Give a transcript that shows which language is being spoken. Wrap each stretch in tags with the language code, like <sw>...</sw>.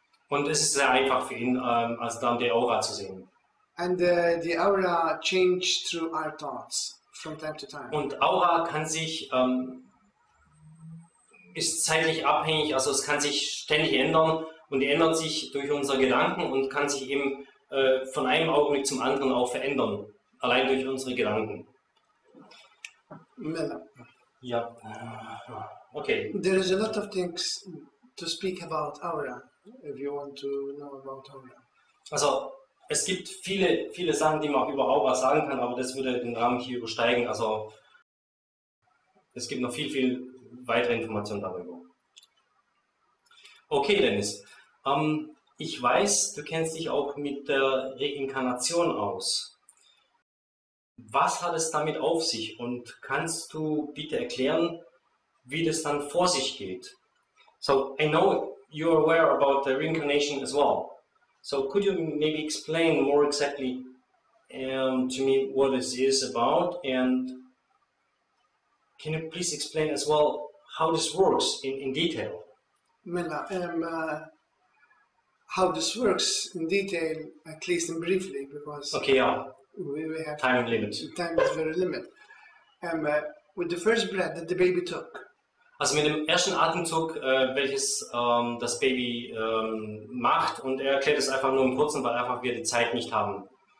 <de>Und es ist sehr einfach für ihn, als dann die Aura zu sehen.</de> <en>And the aura changes through our thoughts from time to time.</en> <de>Und Aura kann sich ist zeitlich abhängig, also es kann sich ständig ändern und die ändert sich durch unsere Gedanken und kann sich eben von einem Augenblick zum anderen auch verändern, allein durch unsere Gedanken. Mella. Ja. Okay.</de> <en>There is a lot of things to speak about aura, if you want to know about aura.</en> <de>Also, es gibt viele, viele Sachen, die man auch über Aura sagen kann, aber das würde den Rahmen hier übersteigen. Also, es gibt noch viel, viel weitere Informationen darüber. Okay, Dennis. Ich weiß, du kennst dich auch mit der Reinkarnation aus. Was hat es damit auf sich und kannst du bitte erklären, wie das dann vor sich geht?</de> <en>So, I know you're aware about the reincarnation as well. So, could you maybe explain more exactly to me what this is about and can you please explain as well how this works in detail? Mila, how this works in detail, at least in briefly, because okay, yeah. We have time limit. Time is very limit. With the first breath that the baby took.</en> <de>Also mit dem ersten Atemzug, welches das Baby macht, und er erklärt es einfach nur im Kurzen, weil einfach wir die Zeit nicht haben.</de>